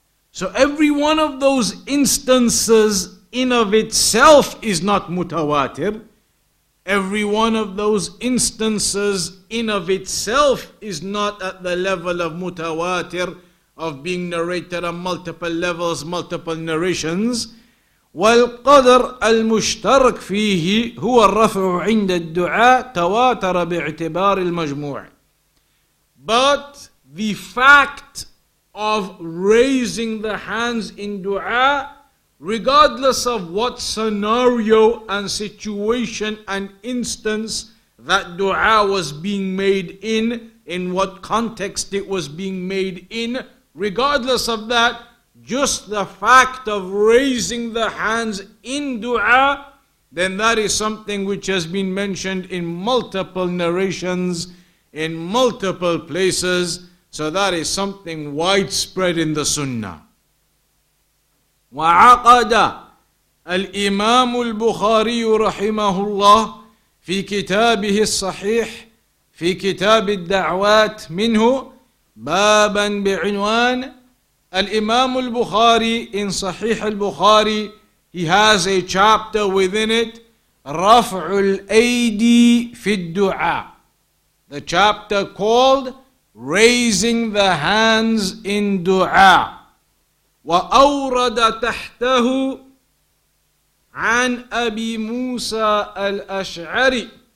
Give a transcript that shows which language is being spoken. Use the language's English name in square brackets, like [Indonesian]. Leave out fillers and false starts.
[English] So every one of those instances in of itself is not mutawatir. Every one of those instances in of itself is not at the level of mutawatir, of being narrated on multiple levels, multiple narrations. [Arabic] والقدر المشترك فيه هو الرفع عند الدعاء تواتر باعتبار المجموع. [English] But the fact of raising the hands in dua, regardless of what scenario and situation and instance that dua was being made in what context it was being made in, regardless of that, just the fact of raising the hands in dua, then that is something which has been mentioned in multiple narrations, in multiple places. So that is something widespread in the sunnah. [Arabic] وعقد الإمام البخاري رحمه الله في كتابه الصحيح في كتاب الدعوات منه بابا بعنوان. [English] الإمام البخاري in صحيح البخاري, he has a chapter within it, [Arabic] رفع الأيدي في الدعاء. [English] the chapter called Raising the Hands in Dua. [Arabic] وأورد تحته عن أبي موسى الأشعري.